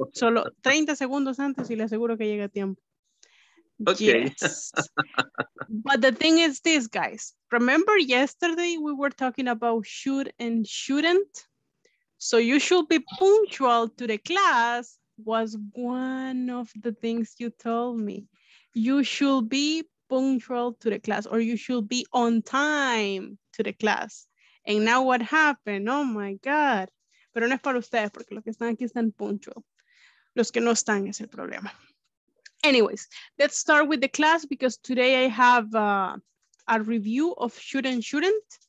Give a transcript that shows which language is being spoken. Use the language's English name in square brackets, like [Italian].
[Spanish] Solo 30 segundos antes y le aseguro que llega a tiempo. [English] Okay. Yes. But the thing is this, guys. Remember yesterday we were talking about should and shouldn't? So you should be punctual to the class was one of the things you told me. You should be punctual to the class, or you should be on time to the class. And now what happened? Oh my God. [Spanish] Pero no es para ustedes, porque los que están aquí están punctual. Los que no están es el problema. [English] Anyways, let's start with the class because today I have a review of should and shouldn't.